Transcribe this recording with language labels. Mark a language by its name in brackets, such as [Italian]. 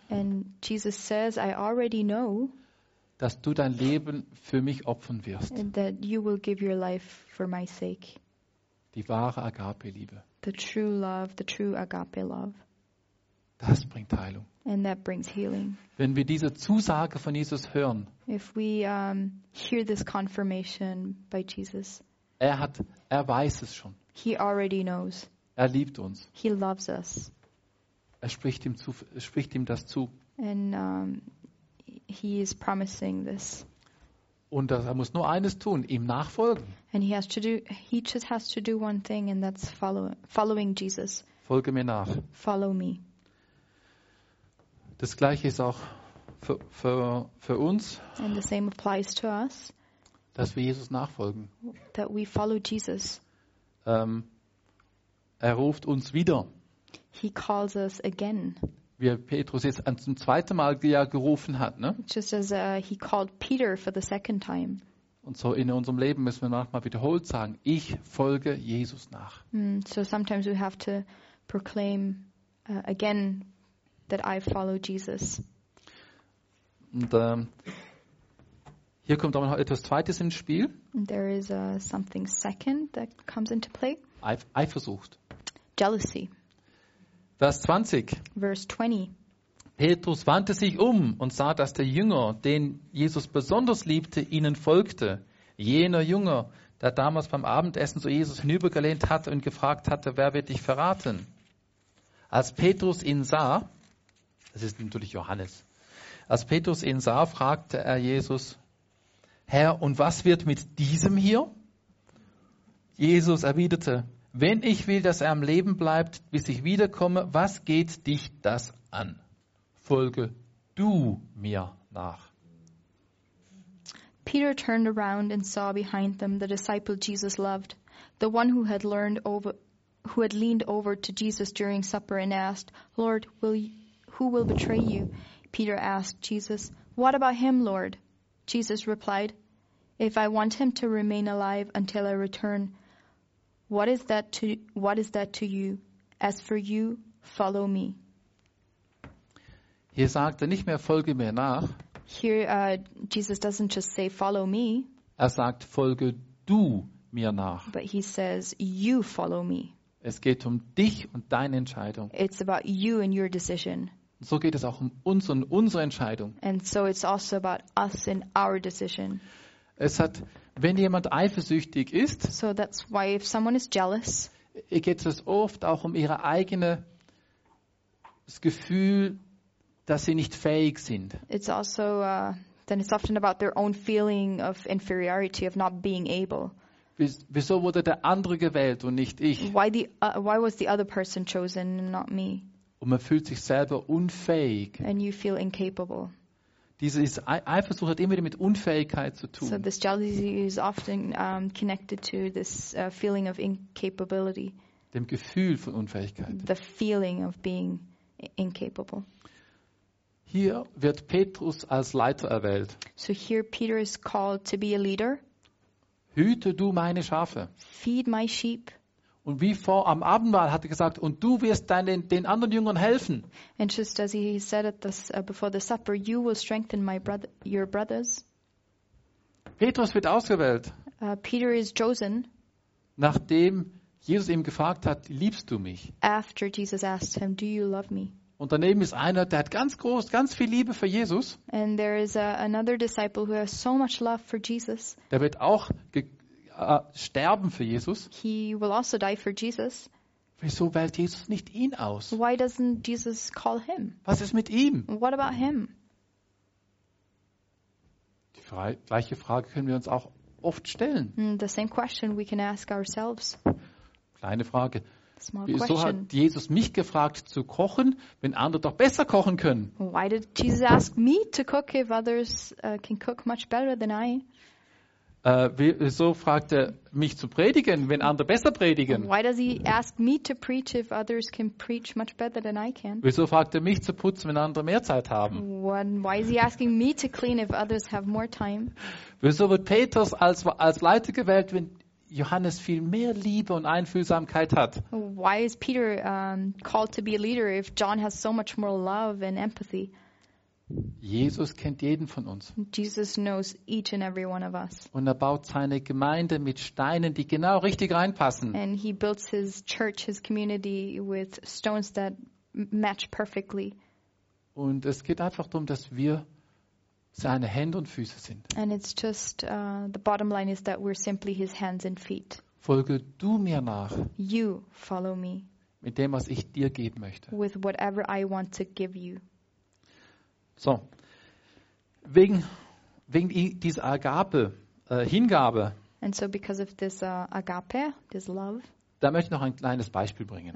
[English] and Jesus says, I already know, [German] dass du dein Leben für mich opfern wirst. [English] And that you will give your life for my sake. [German] Die wahre Agape-Liebe. [English] the true love, the true agape love. [German] Das bringt Heilung. [English] And that brings healing. [German] Wenn wir diese Zusage von Jesus hören. [English] If we hear this confirmation by Jesus. [German] Er weiß es schon. [English] He already knows. [German] Er liebt uns. [English] He loves us. [German] Er spricht ihm das zu. [English] And he is promising this. [German] Und das, er muss nur eines tun, ihm nachfolgen. [English] And he just has to do one thing, and that's following Jesus. [German] Folge mir nach. [English] Follow me. [German] Das gleiche ist auch für uns. [English] And the same applies to us. [German] Dass wir Jesus nachfolgen. [English] That we follow Jesus. [German] Er ruft uns wieder. [English] He calls us again. [German] Wie Petrus jetzt zum zweiten Mal gerufen hat, ne? [English] Just as he called Peter for the second time. [German] Und so in unserem Leben müssen wir manchmal wiederholt sagen: Ich folge Jesus nach. [English] So sometimes we have to proclaim again that I follow Jesus. [German] Und hier kommt auch noch etwas Zweites ins Spiel. [English] There is something second that comes into play. [German] Eifersucht. [English] Jealousy. [German] Vers 20. [English] Verse 20. [German] Petrus wandte sich um und sah, dass der Jünger, den Jesus besonders liebte, ihnen folgte. Jener Jünger, der damals beim Abendessen zu Jesus hinübergelehnt hatte und gefragt hatte, wer wird dich verraten? Als Petrus ihn sah, das ist natürlich Johannes, als Petrus ihn sah, fragte er Jesus, Herr, und was wird mit diesem hier? Jesus erwiderte, wenn ich will, dass er am Leben bleibt, bis ich wiederkomme, was geht dich das an? Folge du mir nach. [English] Peter turned around and saw behind them the disciple Jesus loved, the one who had leaned over to Jesus during supper and asked, Lord, who will betray you? Peter asked Jesus, what about him, Lord? Jesus replied, if I want him to remain alive until I return, What is that to you? As for you, follow me. [German] Hier sagt er nicht mehr, folge mir nach. [English] Here, Jesus doesn't just say, follow me. [German] Er sagt, folge du mir nach. [English] But he says, you follow me. [German] Es geht um dich und deine Entscheidung. [English] It's about you and your decision. [German] So geht es auch um uns und unsere Entscheidung. [English] And so it's also about us and our decision. [German] Wenn jemand eifersüchtig ist, [English] so that's why if someone is jealous, [German] geht es oft auch um ihre eigene das Gefühl, dass sie nicht fähig sind. [English] It's also then it's often about their own feeling of inferiority, of not being able. [German] Wieso wurde der andere gewählt und nicht ich? [English] Why was the other person chosen and not me? [German] Und man fühlt sich selber unfähig. [English] And you feel incapable. [German] Diese Eifersucht hat immer wieder mit Unfähigkeit zu tun. [English] So this jealousy is often connected to this feeling of incapability. [German] Dem Gefühl von Unfähigkeit. [English] The feeling of being incapable. [German] Hier wird Petrus als Leiter erwählt. [English] So here Peter is called to be a leader. [German] Hüte du meine Schafe. [English] Feed my sheep. [German] Und wie vor am Abendmahl hat er gesagt, und du wirst den anderen Jüngern helfen. [English] And just as he said at this, before the supper, you will strengthen your brothers. [German] Petrus wird ausgewählt. [English] Peter is chosen. [German] Nachdem Jesus ihm gefragt hat, liebst du mich? [English] After Jesus asked him, do you love me? [German] Und daneben ist einer, der hat ganz groß, ganz viel Liebe für Jesus. [English] And there is another disciple who has so much love for Jesus. [German] Der wird auch sterben für Jesus. [English] He will also die for Jesus. [German] Wieso wählt Jesus nicht ihn aus? [English] Why doesn't Jesus call him? [German] Was ist mit ihm? [English] What about him? [German] Die gleiche Frage können wir uns auch oft stellen. [English] The same question we can ask ourselves. [German] Kleine Frage. Wieso hat Jesus mich gefragt zu kochen, wenn andere doch besser kochen können? [English] Why did Jesus ask me to cook if others can cook much better than I? [German] Wieso fragt er mich zu predigen, wenn andere besser predigen? [English] Why does he ask me to preach if others can preach much better than I can? [German] Wieso fragt er mich zu putzen, wenn andere mehr Zeit haben? [English] Why is he asking me to clean if others have more time? [German] Wieso wird Petrus als Leiter gewählt, wenn Johannes viel mehr Liebe und Einfühlsamkeit hat? [English] Why is Peter called to be a leader if John has so much more love and empathy? [German] Jesus kennt jeden von uns. [English] Jesus knows each and every one of us. [German] Und er baut seine Gemeinde mit Steinen, die genau richtig reinpassen. [English] And he builds his church, his community with stones that match perfectly. [German] Und es geht einfach darum, dass wir seine Hände und Füße sind. [English] And it's just the bottom line is that we're simply his hands and feet. [German] Folge du mir nach. [English] You follow me. [German] Mit dem, was ich dir geben möchte. [English] With whatever I want to give you. [German] So, wegen dieser Agape, Hingabe. [English] And so because of this agape, this love. [German] Da möchte ich noch ein kleines Beispiel bringen.